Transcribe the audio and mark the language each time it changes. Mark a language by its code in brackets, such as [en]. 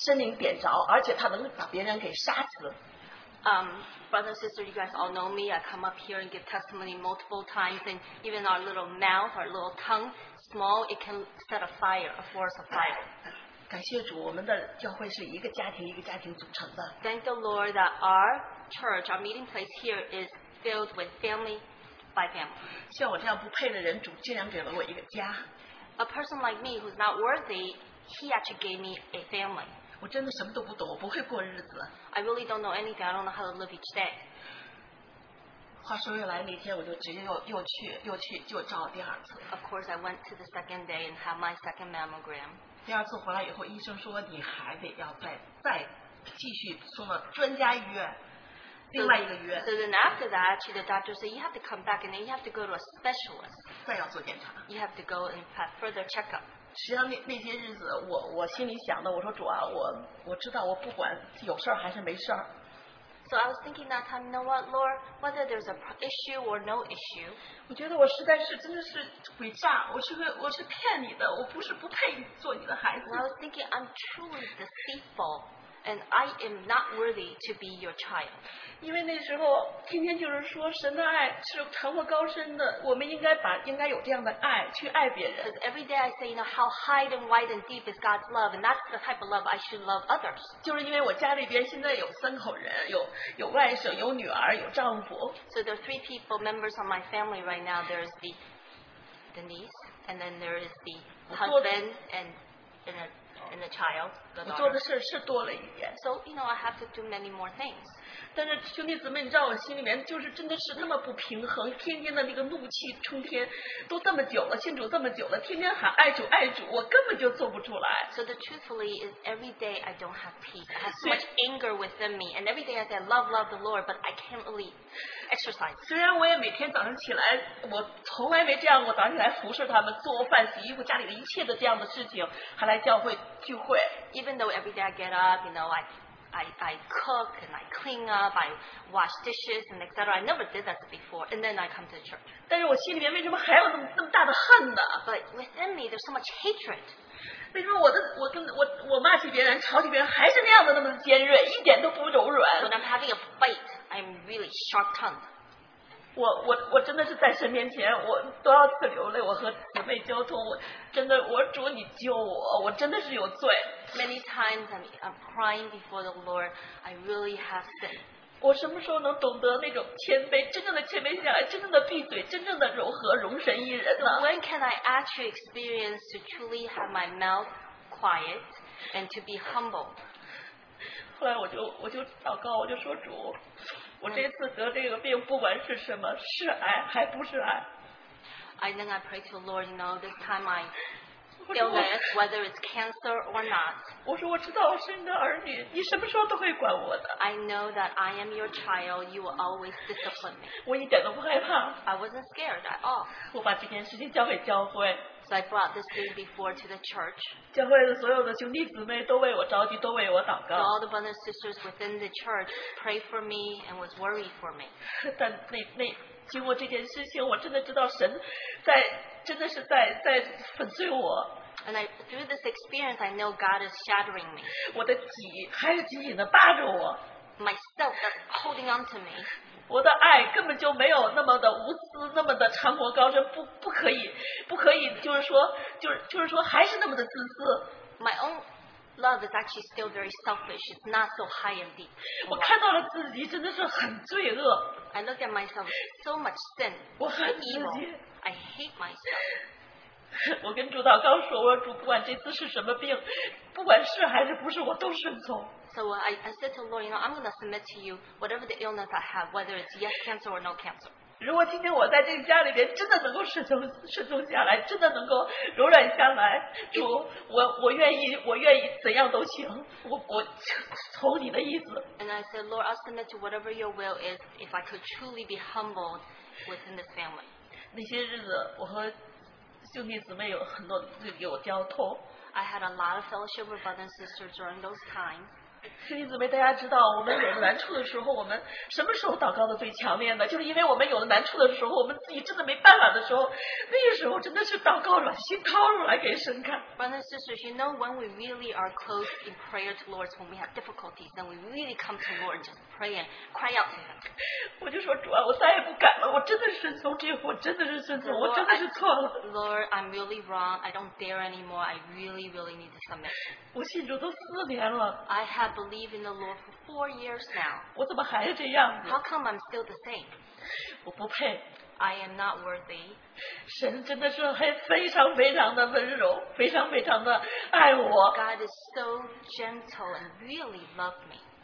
[zh] 实际上大家都知道，我从信主一直到现在，我的变化大家都知道，我经常来做见证，而且我也在大家面前也说过我的这个嘴，就是说我们认罪悔改，我们的这个舌头虽然小，但是它能够把生灵点着，而且它能把别人给杀死。 [en] Brothers and sisters, you guys all know me. I come up here and give testimony multiple times, and even our little mouth, our little tongue, small, it can set a fire, a forest of fire. [zh] 感谢主，我们的教会是一个家庭一个家庭组成的。 [en] Thank the Lord that our church, our meeting place here is filled with family by family. [zh] 像我这样不配的人，主竟然给了我一个家。 [en] A person like me who's not worthy, he actually gave me a family. [zh] 我真的什么都不懂，我不会过日子。 [en] I really don't know anything. I don't know how to live each day. [zh] 话说回来，那天我就直接又去就照了第二次。 [en] Of course, I went to the second day and had my second mammogram. [zh] 第二次回来以后，医生说你还得要再继续送到专家医院。 [en] So then after that, actually the doctor said, you have to come back and then you have to go to a specialist. You have to go and have further checkup. [zh] 实际上那些日子我心里想的，我说主啊，我知道我不管有事还是没事。 [en] So I was thinking that time, you know what, Lord, whether there's an issue or no issue. [zh] 我觉得我实在是真的是诡诈，我是骗你的，我不是不配做你的孩子。 [en] I was thinking I'm truly deceitful. And I am not worthy to be your child. [zh] 因为那时候天天就是说神的爱是疼我高深的，我们应该有这样的爱去爱别人。 [en] Because every day I say, you know, how high and wide and deep is God's love, and that's the type of love I should love others. [zh] 就是因为我家里边现在有三口人，有外甥，有女儿，有丈夫。 [en] So there are three people members of my family right now. There's the niece, and then there is the husband, and the child, the daughter. So, you know, I have to do many more things. [zh] 但是兄弟姊妹，你知道我心里面就是真的是那么不平衡，天天的那个怒气冲天，都这么久了，信主这么久了，天天喊爱主爱主，我根本就做不出来。 [en] So the truthfully is every day I don't have peace. I have so much anger within me, and every day I say love, love the Lord, but I can't really exercise. [zh] 虽然我也每天早上起来，我从来没这样过，早上起来服侍他们，做饭、洗衣服，家里的一切的这样的事情，还来教会聚会。 [en] Even though every day I get up, you know, I cook and I clean up, I wash dishes and etc. I never did that before, and then I come to church. [zh] 但是我心里面为什么还有那么大的恨呢？ [en] But within me, there's so much hatred. [zh] 为什么我骂起别人、吵起别人还是那样的那么尖锐，一点都不柔软？ [en] When I'm having a fight, I'm really sharp tongued. [zh] 我真的是在神面前，我都要去流泪，我和姊妹交通，我真的，我主你救我，我真的是有罪。 [en] Many times I'm crying before the Lord, I really have sin. [zh] 我什么时候能懂得那种谦卑，真正的谦卑下来，真正的闭嘴，真正的柔和，容神一人呢？ [en] When can I actually experience to truly have my mouth quiet and to be humble? [zh] 后来我就祷告，我就说主，我这次得这个病，不管是什么，是癌还不是癌。 [en] I then I pray to the Lord, you know, this time I illness, whether it's cancer or not. [zh] 我说我知道我是你的儿女，你什么时候都会管我的。 [en] I know that I am your child, you will always discipline me. [zh] 我一点都不害怕。 [en] I wasn't scared at all. [zh] 我把这件事情交给教会。 [en] So I brought this thing before to the church. [zh] 教会的所有的兄弟姊妹都为我着急，都为我祷告。 [en] So all the brothers and sisters within the church prayed for me and was worried for me. [zh] 但那经过这件事情，我真的知道神在真的是在粉碎我。 [en] And I, through this experience, I know God is shattering me. [zh] 我的脊还是紧紧的扒着我。 [en] Myself holding on to me. [zh] 我的爱根本就没有那么的无私，那么的长阔高深，不可以，就是说还是那么的自私。 [en] My own love is actually still very selfish. It's not so high and deep. [zh] 我看到了自己真的是很罪恶。 [en] I look at myself so much sin. [zh] 我恨自己。 [en] I hate myself. [zh] 我跟主祷告说，我说主，不管这次是什么病，不管是还是不是，我都顺从。 [en] So I said to the Lord, you know, I'm going to submit to you whatever the illness I have, whether it's yes cancer or no cancer. [zh] 如果今天我在这个家里边真的能够顺从下来，真的能够柔软下来，主，我愿意怎样都行，我从你的意思。 [en] And I said, Lord, I'll submit to whatever your will is if I could truly be humbled within this family. [zh] 那些日子，我和兄弟姊妹有很多有交通。 [en] I had a lot of fellowship with brothers and sisters during those times. [zh] 兄弟姊妹，大家知道，我们有了难处的时候，我们什么时候祷告的最强烈呢？就是因为我们有了难处的时候，我们自己真的没办法的时候，那个时候真的是祷告软心掏出来给神看。 [en] Brothers and sisters, you know when we really are close in prayer to Lord, when we have difficulties, then we really come to Lord and just pray. pray and cry out to him. [zh] 我就说主啊，我再也不敢了。我真的是顺从，我真的是顺从，我真的是错了。 [en] Lord, I'm really wrong. I don't dare anymore. I really, really need to submit. [zh] 我信主都四年了。 [en] I have believed in the Lord for 4 years now. [zh] 我怎么还是这样？ [en] How come I'm still the same? [zh] 我不配。 [en] I am not worthy. [zh] 神真的是非常非常的温柔，非常非常的爱我。 [en] God is so gentle and really loved me.